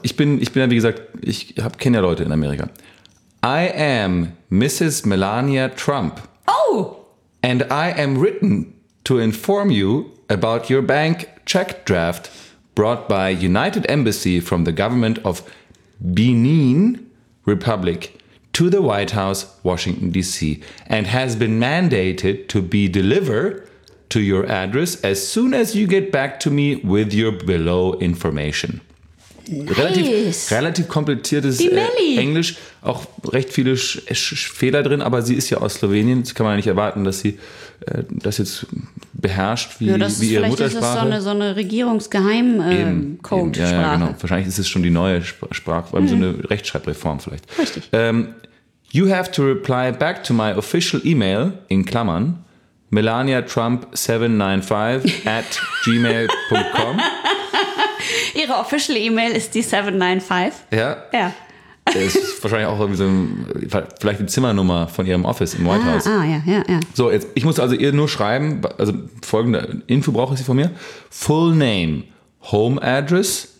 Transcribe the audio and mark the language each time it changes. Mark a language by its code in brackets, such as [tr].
[de] Ich bin ja, wie gesagt, kenne ja Leute in Amerika. [en] I am Mrs. Melania Trump. Oh! And I am written to inform you about your bank check draft brought by United Embassy from the government of Benin Republic to the White House, Washington, D.C. and has been mandated to be delivered to your address as soon as you get back to me with your below information. Nice. [de] Relativ kompliziertes Englisch, auch recht viele Fehler drin, aber sie ist ja aus Slowenien, das kann man ja nicht erwarten, dass sie das jetzt beherrscht, wie ihre Muttersprache. Vielleicht ist das so eine Regierungsgeheim-Code-Sprache. Ja, genau. Wahrscheinlich ist es schon die neue Sprache, so eine Rechtschreibreform vielleicht. Richtig. [en] You have to reply back to my official email, [de] in Klammern, [en] melaniatrump795@gmail.com. [de] Ihre official E-Mail ist die 795. Ja? Ja. Das ist wahrscheinlich auch irgendwie so vielleicht die Zimmernummer von ihrem Office im White House. Ah, ja, ja, ja. So, jetzt, ich muss also ihr nur schreiben, also folgende Info brauche ich sie von mir. [en] Full name, home address,